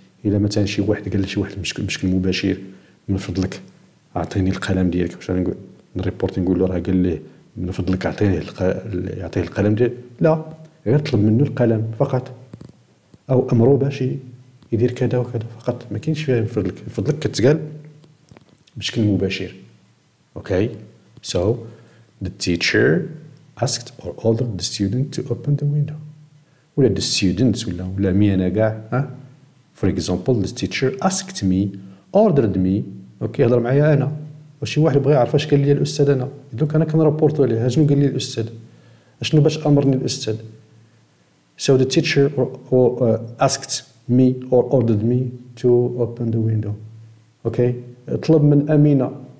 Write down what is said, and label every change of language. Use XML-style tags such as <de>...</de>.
<ar>إلا مثلا شي واحد قال لشي واحد بشكل مباشر من فضلك أعطيني القلم ديالك, باش نريبورت نقول له راه قال لي من فضلك أعطيني يعطيه القلم ديالك. لا, غير طلب منه القلم فقط أو أمره باش يدير كذا وكذا فقط. ما كاينش فيها فضلك. فضلك كتقال بشكل مباشر.</ar> <en>Okay, so the teacher asked or ordered the student to open the window.</en> <ar>ولا</ar> <en>the student</en> <ar>ولا مي أنا كاع.</ar> <en>For example, the teacher asked me, ordered me.</en> <ar>Okay, هضر معايا أنا. وشي واحد بغى يعرف اش قال لي الأستاذ أنا. دوك أنا كنريبورتو عليه. أشنو قال لي الأستاذ؟ أشنو باش أمرني الأستاذ؟</ar> <en>So the teacher asked me or ordered me to open the window.</en> <ar>Okay, طلب من أمينة.</ar>